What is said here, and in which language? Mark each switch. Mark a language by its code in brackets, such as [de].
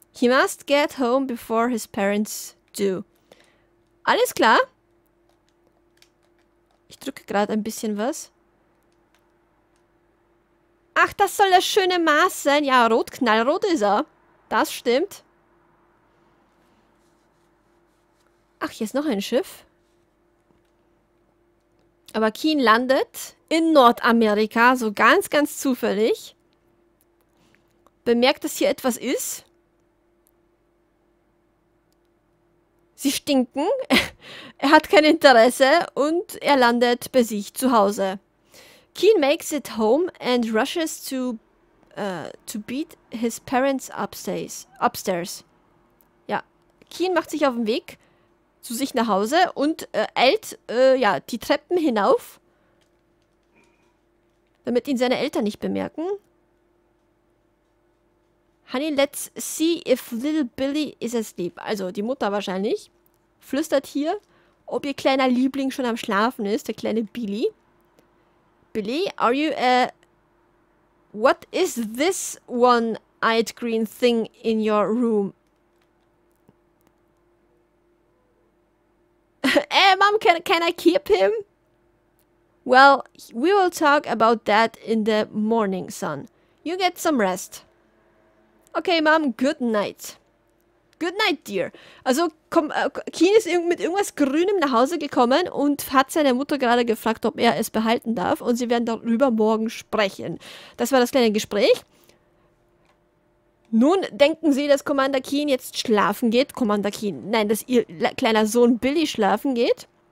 [en] He must get home before his parents do. [de] Alles klar. Ich drücke gerade ein bisschen was. Ach, das soll das schöne Maß sein. Ja, rot, knallrot ist er. Das stimmt. Ach, hier ist noch ein Schiff. Aber Keen landet in Nordamerika, so ganz, ganz zufällig. Bemerkt, dass hier etwas ist. Sie stinken. Er hat kein Interesse und er landet bei sich zu Hause. [en] Keen makes it home and rushes to beat his parents upstairs. [de] Ja, Keen macht sich auf den Weg zu sich nach Hause und eilt ja, die Treppen hinauf, damit ihn seine Eltern nicht bemerken. [en] Honey, let's see if little Billy is asleep. [de] Also die Mutter wahrscheinlich flüstert hier, ob ihr kleiner Liebling schon am Schlafen ist, der kleine Billy. [en] Billy, are you a. What is this one-eyed green thing in your room? Mom, can I keep him? Well, we will talk about that in the morning, son. You get some rest. Okay, Mom, good night. Good night, dear. [de] Also, Keen ist mit irgendwas Grünem nach Hause gekommen und hat seine Mutter gerade gefragt, ob er es behalten darf. Und sie werden darüber morgen sprechen. Das war das kleine Gespräch. Nun denken sie, dass Commander Keen jetzt schlafen geht. Commander Keen, nein, dass ihr kleiner Sohn Billy schlafen geht.